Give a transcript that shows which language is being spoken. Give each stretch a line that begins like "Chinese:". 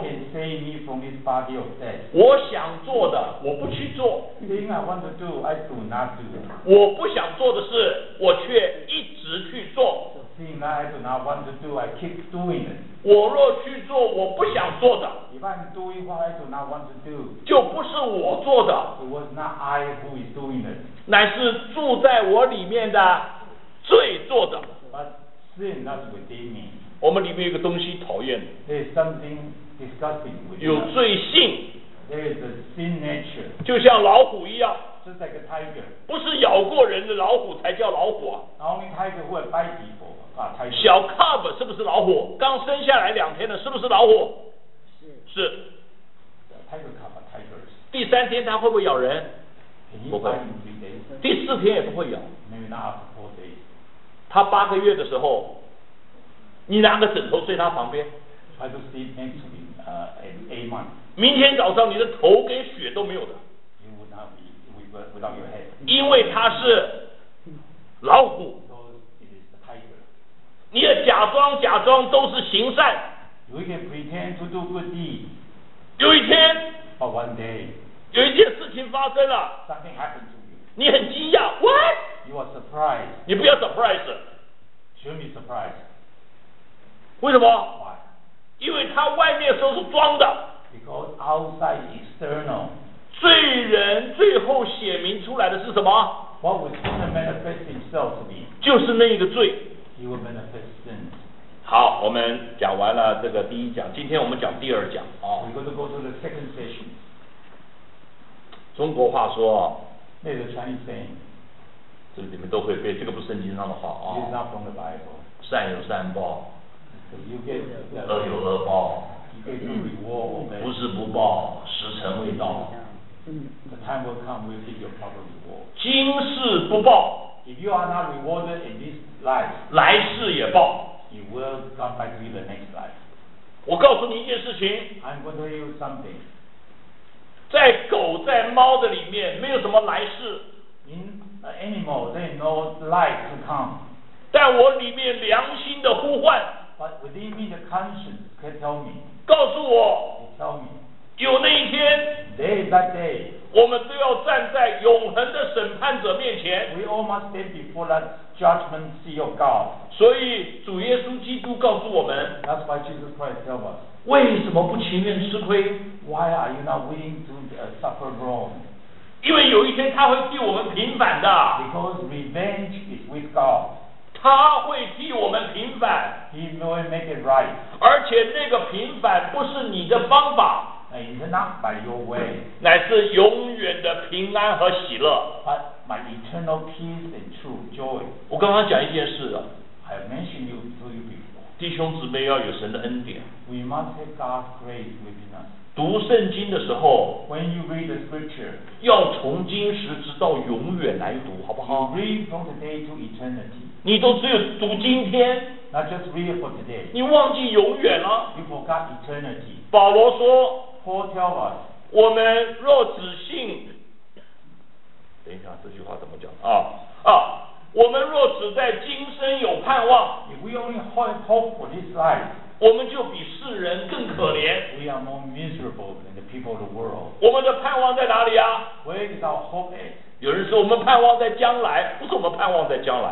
English: Can save me from this body of death.
Chinese: 我想做的我不去做。
English: Thing I want to do, I do not do.
Chinese: 我不想做的事我却一直去做。
English: Thing I do not want to do, I keep doing it.
Chinese: 我若去做我不想做的。
English: If I'm doing what I do not want to do,
Chinese: 就不是我做的。
English: It was not I who is doing it.
Chinese: 乃是住在我里面的罪做的。
English: Sin, that's within me.
Chinese: 我们里面有一个东西讨厌。
English: There is something disgusting within me.
Chinese: 有罪性。
English: There is a sin nature.
Chinese: 就像老虎一样。
English: Just like a tiger.
Chinese: 不是咬过人的老虎才叫老虎啊。
English: Only tiger who bite people.
Chinese: 小 cub 是不是老虎？刚生下来两天的，是不是老虎？是。
English: Tiger cub, tigers.
Chinese: 第三天它会不会咬人？不会。第四天也不会咬。
English: Maybe not after 4 days.
Chinese: 他八个月的时候，你拿个枕头睡他旁边。
English: I do sleep next to him, a month.
Chinese: 明天早上你的头跟血都没有的。
English: You would not be without your head.
Chinese: 因为他是老虎。
English: Because it is a tiger.
Chinese: 你要假装都是行善。
English: You can pretend to do good deeds.
Chinese: 有一天。
English: But one day.
Chinese: 有一件事情发生了。
English: Something happened to you.
Chinese: 你很惊讶 ，What?
English: You are surprised.
Chinese: 你不要 surprise.
English: Should be surprised.
Chinese: 为什么
English: ？Why?
Chinese: 因为他外面的时候是装的。
English: Because outside external.
Chinese: 罪人最后显明出来的是什么
English: ？What would manifest himself to be?
Chinese: 就是那一个罪。
English: He would manifest sin.
Chinese: 好，我们讲完了这个第一讲，今天我们讲第二讲啊。
English: We're going to go to the second session.
Chinese: 中国话说。
English: 那个 Chinese saying.
Chinese: 这里面都会背，这个不是圣经上的话啊。
English: It's not from the Bible.
Chinese: 善有善报，
English: you get
Chinese: the, 恶有恶报，
English: you get the reward, okay?
Chinese: 不是不报，时辰未到。
English: The time will come, we'll get your proper reward.
Chinese: 今世不报，
English: if you are not rewarded in this life,
Chinese: 来世也报，
English: you will come back to you the next life.
Chinese: 我告诉你一件事情，
English: I'm going to tell you something.
Chinese: 在狗在猫的里面没有什么来世。
English: Animal, they know life to come.
Chinese: 但我里面良心的呼唤。
English: But within me, the conscience can tell me.
Chinese: 告诉我。
English: Tell me.
Chinese: 有那一天。
English: Day by day.
Chinese: 我们都要站在永恒的审判者面前。
English: We all must stand before that judgment seat of God.
Chinese: 所以主耶稣基督告诉我们。
English: That's why Jesus Christ tells us.
Chinese: 为什么不情愿吃亏
English: ？Why are you not willing to suffer wrong?
Chinese: 因为有一天他会替我们平反的。
English: Because revenge is with God.
Chinese: 他会替我们平反。
English: He will make it right.
Chinese: 而且那个平反不是你的方法。
English: It's not by your way.
Chinese: 乃是永远的平安和喜乐。
English: But my eternal peace and true joy.
Chinese: 我刚刚讲一件事。
English: I mentioned you to you before.
Chinese: 弟兄姊妹要有神的恩典。
English: We must have God's grace within us.
Chinese: 读圣经的时候
English: When you read the scripture,
Chinese: 要从今时直到永远来读好不好
English: read from today to eternity.
Chinese: 你都只有读今天
English: Not just read for today.
Chinese: 你忘记永远了
English: You forgot eternity.
Chinese: 保罗说
English: Paul tell us,
Chinese: 我们若只信等一下这句话怎么讲我们若只在今生有盼望
English: If we only hope for this life,
Chinese: 我们就比世人更可怜。
English: We are more miserable than the people of the world.
Chinese: 我们的盼望在哪里啊
English: ？Where is our hope at?
Chinese: 有人说我们盼望在将来，不是我们盼望在将来。